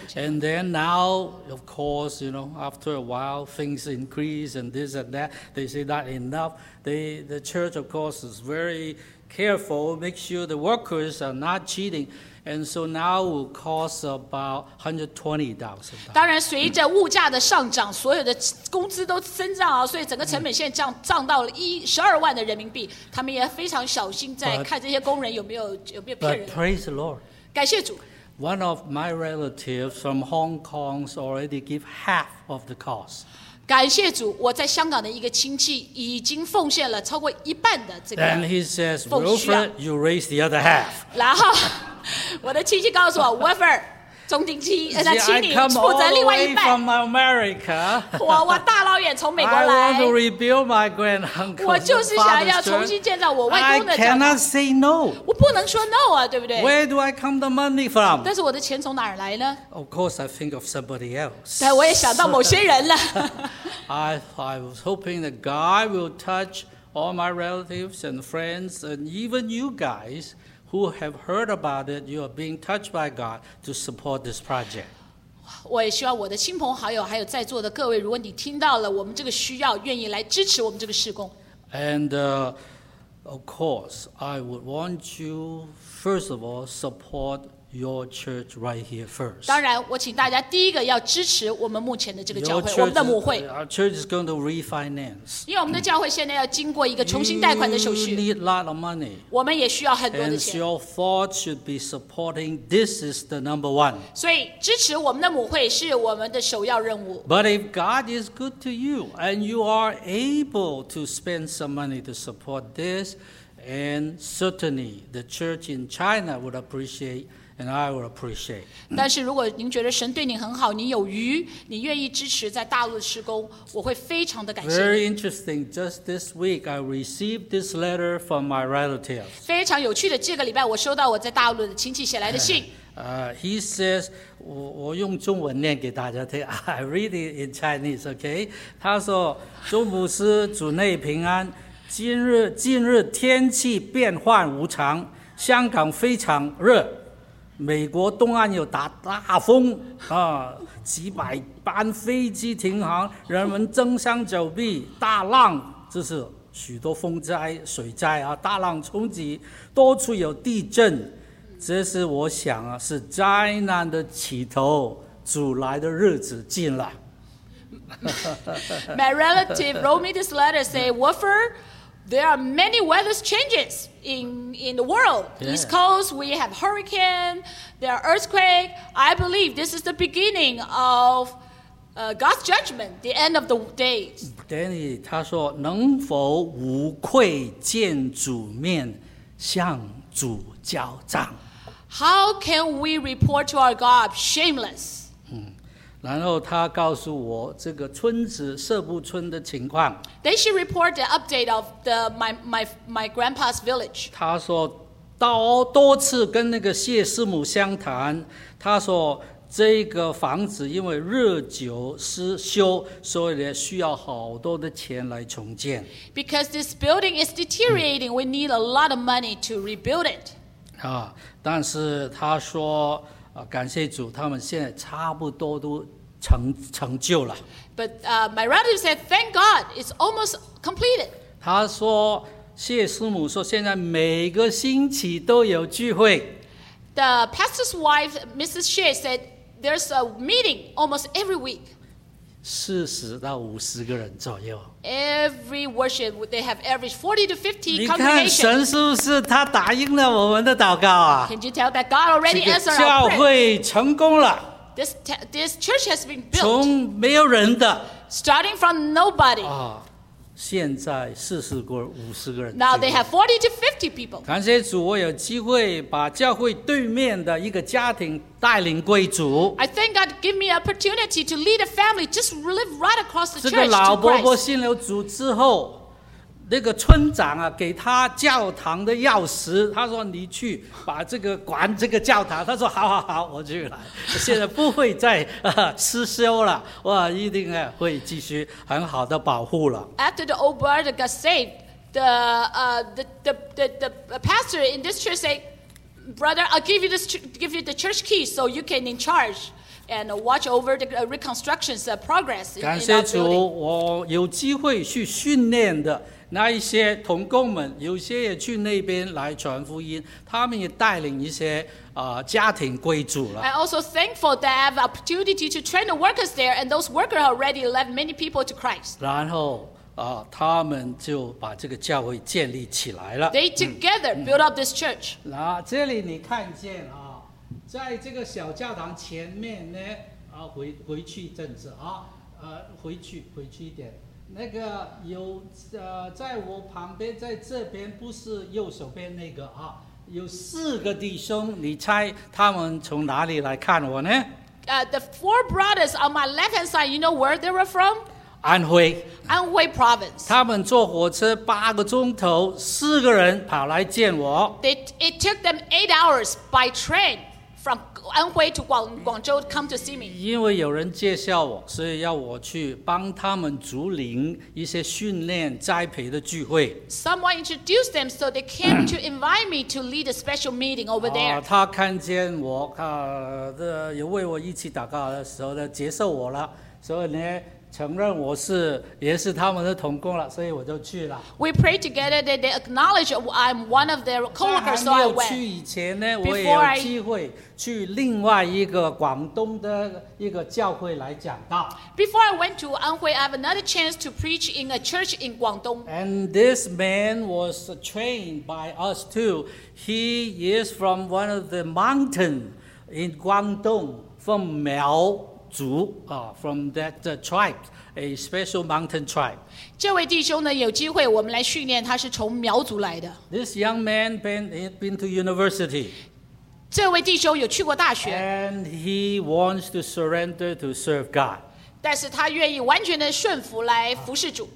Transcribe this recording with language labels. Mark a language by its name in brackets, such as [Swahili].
[English] And then now of course you know after a while things increase and this and that they say not enough the church of course is very careful make sure the workers are not cheatingAnd so now will cost about $120,000. [Chinese] 当然，随着物价的上涨，所有的工资都增长啊，所以整个成本线涨涨到了12万的人民币。他们也非常小心在看这些工人有没有骗人。 [English] But praise the Lord. [Chinese] 感谢主。 [English] One of my relatives from Hong Kong already give half of the cost. [Chinese] 感谢主，我在香港的一个亲戚已经奉献了超过一半的这个。 [English] Then he says, Wilfred, you raise the other half. [Chinese] 然后。我的亲戚告诉我 ，Weaver， 中定期，那请你负责另外一半。 [English] See, I come all the way from America. [Chinese] 我大老远从美国来。 [English] I want to rebuild my grand uncle's father's church. [Chinese] 我就是想要重新建造我外公的教堂。 [English] I cannot say no. [Chinese] 我不能说 no 啊，对不对 [English] ？Where do I come the money from? [Chinese] 但是我的钱从哪儿来呢 [English] ？Of course, I think of somebody else. [Chinese] 但我也想到某些人了。 [English] I was hoping that God will touch all my relatives and friends and even you guys. Who have heard about it? You are being touched by God to support this project. [Chinese] 我也希望我的亲朋好友还有在座的各位，如果你听到了我们这个需要，愿意来支持我们这个事工。 [English] And of course, I would want you first of all support your church right here first. [Chinese] 当然，我请大家第一个要支持我们目前的这个教会， [English] church, [Chinese] 我们的母会。 [English] Our church is going to refinance. [Chinese] 因为我们的教会现在要经过一个重新贷款的手续。 [English] You need a lot of money. [Chinese] 我们也需要很多的钱。 [English] And your thought should be supporting this is the number one. [Chinese] 所以支持我们的母会是我们的首要任务。 [English] But if God is good to you and you are able to spend some money to support this, and certainly the church in China would appreciate. And I will appreciate. [Chinese] 但是如果您觉得神对你很好，你有余，你愿意支持在大陆施工，我会非常的感谢。 [English] Very interesting. Just this week, I received this letter from my relative. [Chinese] 非常有趣的，这个礼拜我收到我在大陆的亲戚写来的信。 [English] He says, [Chinese] 我用中文念给大家听。 [English] I read it in Chinese, okay? [Chinese] 他说，周牧师，主内平安。近日天气变幻无常，香港非常热。美国东岸有打大风啊，几百班飞机停航，人们争相走避，大浪，这是许多风灾、水灾啊，大浪冲击，多处有地震，这是我想啊，是灾难的起头，主来的日子近了。 [English] My relative wrote me this letter, say, Wofford, there are many weather changes. In the world,、 yeah. East Coast, we have hurricane, there are earthquake. I believe this is the beginning of God's judgment, the end of the days. [Chinese] Danny, 他说能否无愧见主面，向主交账 [English] ？How can we report to our God shameless?、 [Chinese] 然后他告诉我这个村子社部村的情况。 [English] They should report the update of my grandpa's village. [Chinese] 他说到多次跟那个谢师母相谈，他说这个房子因为日久失修，所以呢需要好多的钱来重建。 [English] Because this building is deteriorating,、we need a lot of money to rebuild it. [Chinese] 啊，但是他说。感谢主，他们现在差不多都成就了。 [English] But my relative said, "Thank God, it's almost completed." [Chinese] 他说，谢师母说，现在每个星期都有聚会。 [English] The pastor's wife, Mrs. Xie, said there's a meeting almost every week. [Chinese] 40-50个人左右。 [English] Every worship, they have average 40-50 congregation. [Chinese] 你看神是不是他答应了我们的祷告啊 [English] ？Can you tell that God already answered our prayer? [Chinese] 教会成功了。 [English] This church has been built. [Chinese] 从没有人的。 [English] Starting from nobody. [Chinese] 啊，现在40-50个人。 [English] Now they have 40-50 people. [Chinese] 感谢主，我有机会把教会对面的一个家庭带领归主。 [English] I thank God give me opportunity to lead a family just live right across the church. [Chinese] 这个老伯伯信了主之后，那个村长啊，给他教堂的钥匙，他说你去把这个管这个教堂。他说好好好，我去了。现在不会再失修了，哇，一定会继续很好的保护了。 [English] After the old brother got saved, the pastor in this church said, "Brother, I'll give you the church key so you can in charge." And watch over the reconstruction's progress. [Chinese] 感谢主，我有机会去训练的那一些同工们，有些也去那边来传福音，他们也带领一些家庭归主了。 [English] I'm also thankful that I have opportunity to train the workers there, and those workers already led many people to Christ. [Chinese] 然后他们就把这个教会建立起来了。 [English] They together build up this church. [Chinese] 那这里你看见啊。在这个小教堂前面呢，回去一阵子啊，回去一点。那个有在我旁边，在这边不是右手边那个啊，有四个弟兄，你猜他们从哪里来看我呢？ [English] The four brothers on my left hand side, you know where they were from? [Chinese] 安徽。 [English] 安徽 province. [Chinese] 他们坐火车8个钟头，四个人跑来见我。 [English] It took them 8 hours by train. From 安徽 to 广州 come to see me. [Chinese] 因为有人介绍我，所以要我去帮他们组领一些训练栽培的聚会。 [English] Someone introduced them, so they came to invite me to lead a special meeting over there. [Chinese] 他看见我，有为我一起祷告的时候呢，接受我了，所以呢，承认我是也是他们的同工了，所以我就去了。 [English] We pray together that they acknowledge I'm one of their coworkers, so I went. [Chinese] 在还没有去以前呢，我也有机会去另外一个广东的一个教会来讲道。 [English] Before I went to Anhui, I have another chance to preach in a church in Guangdong. And this man was trained by us too. He is from one of the mountain in Guangdong, from Miao. From that tribe, a special mountain tribe. [Chinese] 这位弟兄呢，有机会我们来训练，他是从苗族来的。 [English] This young man been to university. [Chinese] 这位弟兄有去过大学。 [English] And he wants to surrender to serve God. [Chinese] 但是他愿意完全的顺服来服侍主。